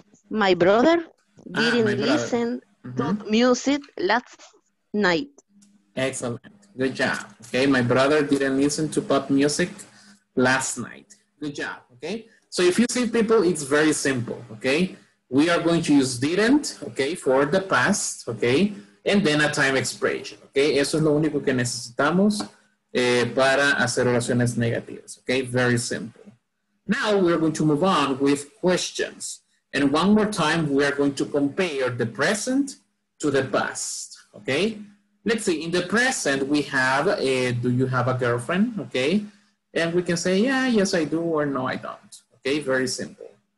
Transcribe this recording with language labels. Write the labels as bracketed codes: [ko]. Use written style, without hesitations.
[en] My brother didn't listen to music last night. Excellent. Good job. Okay, my brother didn't listen to pop music last night. Good job. Okay, so if you see people, it's very simple. Okay, we are going to use didn't, okay, for the past, okay, and then a time expression. [es] Okay, eso es lo único que necesitamos para hacer oraciones negativas. [en] Okay, very simple. Now we are going to move on with questions. And one more time, we are going to compare the present to the past. Okay, let's see. In the present, we have a do you have a girlfriend? Okay, and we can say, yeah, yes, I do, or no, I don't. Okay, very simple.